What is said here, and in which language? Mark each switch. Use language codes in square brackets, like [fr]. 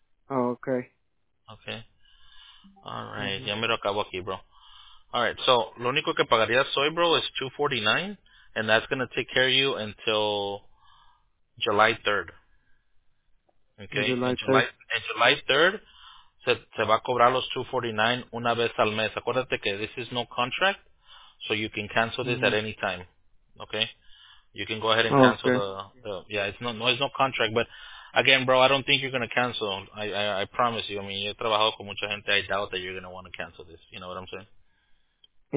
[en] Oh, okay. Okay. All right. [es] Ya me lo acabo aquí, bro. [en] All right. [es] So, lo único que pagarías hoy, bro, [en] is $249, and that's going to take care of you until July 3rd. Okay. July 3rd, [es] se va a cobrar los $249 una vez al mes. Acuérdate que [en] this is no contract, so you can cancel this at any time. Okay? You can go ahead and cancel it's no contract, but again, bro, I don't think you're going to cancel. I promise you. I mean, [es] yo he trabajado con mucha gente. [en] I doubt that you're going to want to cancel this. You know what I'm saying?